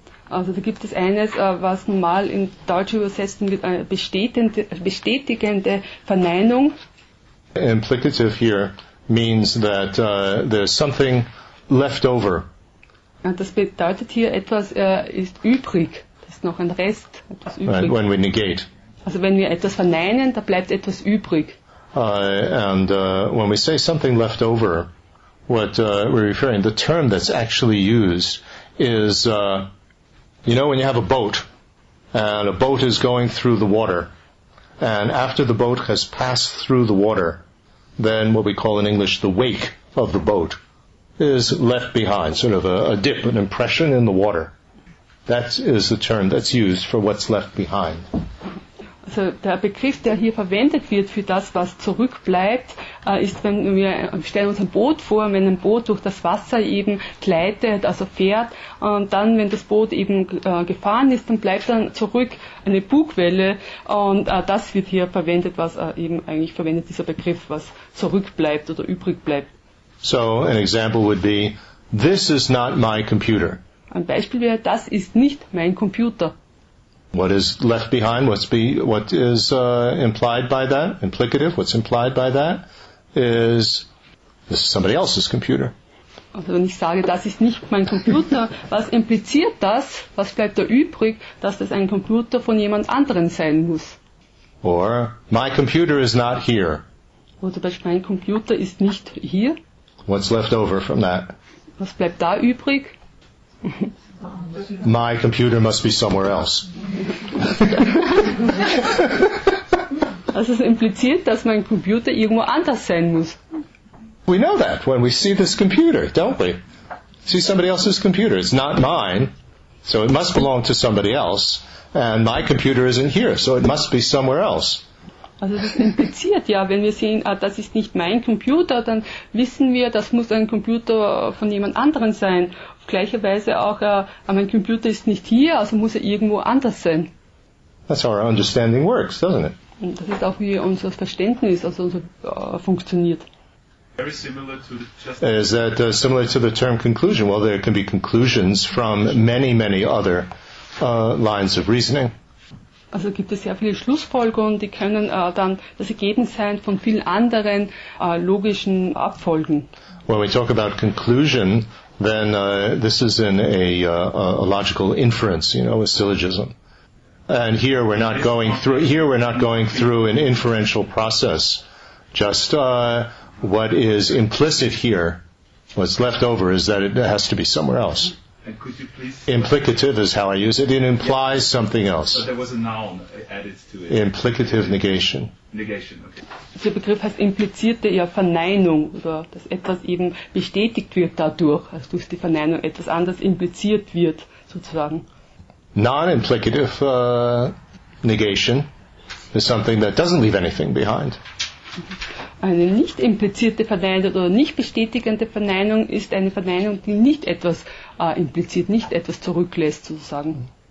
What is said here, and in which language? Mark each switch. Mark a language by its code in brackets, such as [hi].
[de] Also da gibt es eines, was normal in Deutsch übersetzt wird, bestätigende Verneinung. [en] Implicative here means that there's something left over. [de] Das bedeutet hier, etwas ist übrig. Noch ein Rest, etwas übrig. [en] Right, when we negate. [de] Also wenn wir etwas verneinen, da bleibt etwas übrig. [en] When we say something left over, what we're referring, the term that's actually used is, you know, when you have a boat, and a boat is going through the water, and after the boat has passed through the water, then what we call in English the wake of the boat is left behind, sort of a dip, an impression in the water. That is the term that's used for what's left behind. [de] Also der Begriff, der hier verwendet wird für das, was zurückbleibt, ist, wenn wir stellen uns ein Boot vor, wenn ein Boot durch das Wasser eben gleitet, also fährt, und dann, wenn das Boot eben gefahren ist, dann bleibt dann zurück eine Bugwelle, und das wird hier verwendet, was eben eigentlich verwendet dieser Begriff, was zurückbleibt oder übrig bleibt. [en] So an example would be, this is not my computer. [de] Ein Beispiel wäre, das ist nicht mein Computer. [en] What is left behind, implied by that, implicative, what's implied by that, is this is somebody else's computer. [de] Also wenn ich sage, das ist nicht mein Computer, was impliziert das, was bleibt da übrig, dass das ein Computer von jemand anderen sein muss? [en] Or, my computer is not here. [de] Oder zum Beispiel, mein Computer ist nicht hier. [en] What's left over from that? [de] Was bleibt da übrig? [en] My computer must be somewhere else. [de] Also es impliziert, dass mein Computer irgendwo anders sein muss. [en] We know that when we see this computer, don't we? See somebody else's computer. It's not mine, so it must belong to somebody else. And my computer isn't here, so it must be somewhere else. [de] Also es impliziert, ja, wenn wir sehen, das ist nicht mein Computer, dann wissen wir, das muss ein Computer von jemand anderem sein. Gleicherweise auch, mein Computer ist nicht hier, also muss er irgendwo anders sein. [en] That's how our understanding works, doesn't it? [de] Und das ist auch, wie unser Verständnis, also funktioniert. [en] Is that similar to the term conclusion? Well, there can be conclusions from many, many other lines of reasoning. [de] Also gibt es sehr viele Schlussfolgerungen, die können dann das Ergebnis sein von vielen anderen logischen Abfolgen. [en] When we talk about conclusion, then this is in a logical inference, you know, a syllogism. And here we're not going through. Here we're not going through an inferential process. Just what is implicit here, what's left over, is that it has to be somewhere else. And could you please implicative is how I use it. It implies something else. But there was a noun added to it. Implicative negation. Negation. Okay. [de] Der Begriff heißt implizierte Verneinung oder dass etwas eben bestätigt wird dadurch, also durch die Verneinung etwas anders impliziert wird sozusagen. [en] Non-implicative negation is something that doesn't leave anything behind. [de] Eine nicht implizierte Verneinung oder nicht bestätigende Verneinung ist eine Verneinung, die nicht etwas impliziert, nicht etwas zurücklässt sozusagen.